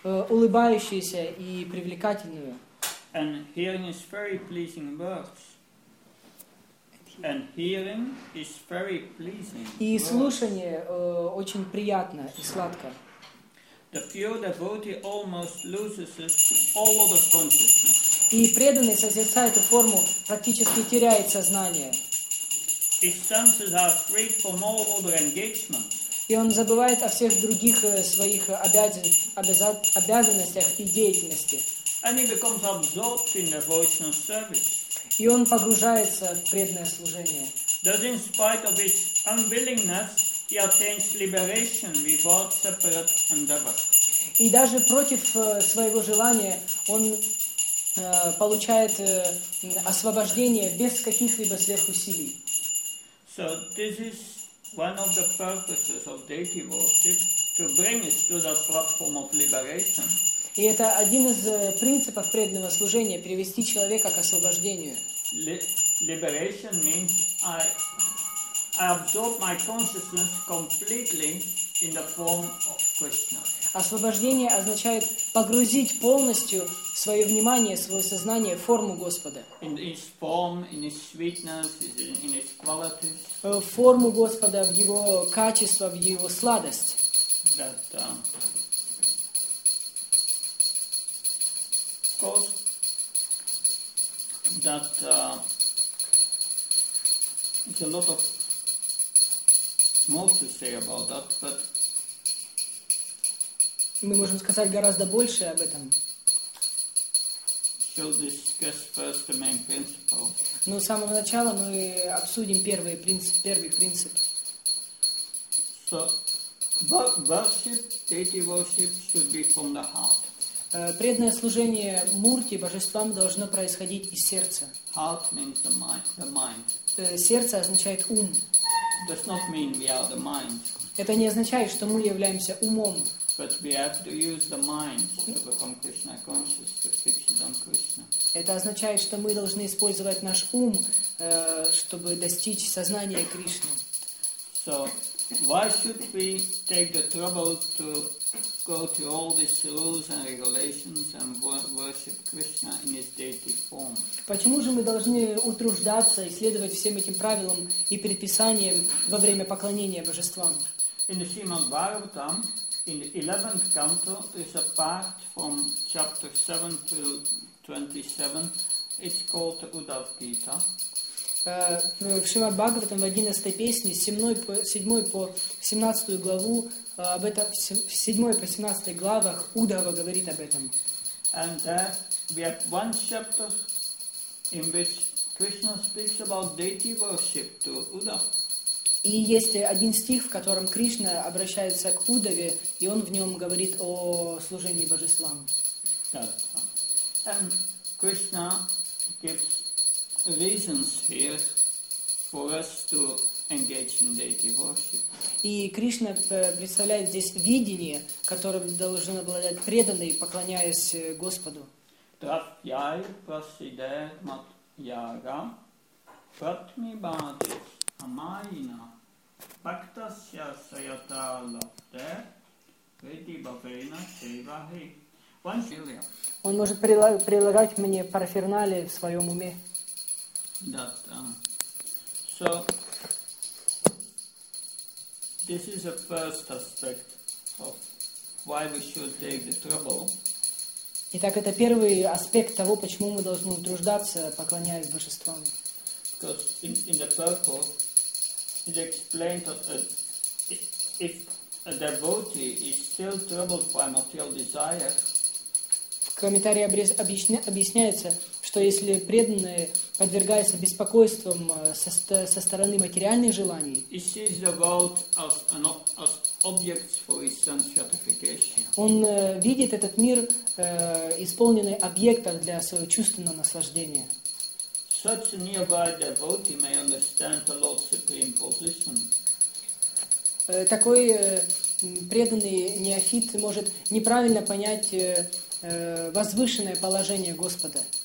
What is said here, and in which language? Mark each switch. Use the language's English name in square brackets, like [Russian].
[Russian] Улыбающуюся и привлекательную. [English] And hearing is very pleasing words. And hearing is very pleasing. [Russian] И слушание очень приятно и сладко. [English] The pure devotee almost loses all of his consciousness. [Russian] И преданный, созерцая эту форму, практически теряет сознание. [English] His senses are freed from all other engagements. [Russian] И он забывает о всех других своих обязанностях и деятельности. [English] And he becomes absorbed in devotional service. [Russian] И он погружается в преданное служение. [English] Thus, in spite of his unwillingness, he attains liberation without separate endeavor. [Russian] И даже против своего желания он получает освобождение без каких-либо сверхусилий. [English] So this is one of the purposes of deity worship, to bring us to that platform of liberation. [Russian] И это один из принципов преданного служения — привести человека к освобождению. [English] Liberation means I absorb my consciousness completely in the form of Krishna. [Russian] Освобождение означает погрузить полностью свое внимание, свое сознание в форму Господа. [English] In His form, in His sweetness, in His quality. [Russian] В форму Господа, в Его качество, в Его сладость. [English] That, of course, that it's a lot of more to say about that, but [Russian] мы можем сказать гораздо больше об этом. [English] Shall discuss first the main principle. [Russian] Но с самого начала мы обсудим первый принцип. [English] So, worship, deity worship should be from the heart. [Russian] Преданное служение мурти, божествам, должно происходить из сердца. [English] Heart means the mind. The mind. [Russian] Сердце означает ум. [English] Does not mean we are the mind. [Russian] Это не означает, что мы являемся умом. [English] But we have to use the mind to become Krishna conscious, to fix it on Krishna. [Russian] Это означает, что мы должны использовать наш ум, чтобы достичь сознания Кришны. [English] So, why should we take the trouble to go through all these rules and regulations and worship Krishna in his deity form? [Russian] Почему же мы должны утруждаться и следовать всем этим правилам и предписаниям во время поклонения божествам? [English] In the Srimad Bhagavatam, in the 11th canto, is a part from chapter 7 to 27. It's called Uddhav Gita. [Russian] В Шримад Бхагаватам, в 11 песне, с 7 по 17 главу, об этом, в 7 по 17 главах Удава говорит об этом. [English] And there we have one chapter in which Krishna speaks about deity worship to Uddhav. [Russian] И есть один стих, в котором Кришна обращается к Удаве, и он в нем говорит о служении божествам. [English] And Krishna gives reasons here for us to engage in deity worship. [Russian] И Кришна представляет здесь видение, которым должен обладать преданный, поклоняясь Господу. Трафьяй прасидер мат яга пратми бадит амайна Bhaktasya Sayata Lapte Vidhi Bhavena Sevahi. One million. Он может прилагать мне параферналии в своем уме. [English] That, so this is the first aspect of why we should take the trouble. [Russian] Итак, это первый аспект того, почему мы должны утруждаться, поклоняясь божествам. [English] Because in the purple, it explains that if a devotee is still troubled by material desire, [Russian] в комментарии объясняется, что если преданный подвергается беспокойствам со стороны материальных желаний, [English] he sees the world as objects for his sense gratification. [Russian] Он видит этот мир исполненный объектов для своего чувственного наслаждения. [English] Such a nearby devotee may understand the Lord's supreme position. [Russian] Такой преданный неофит может неправильно понять возвышенное положение Господа.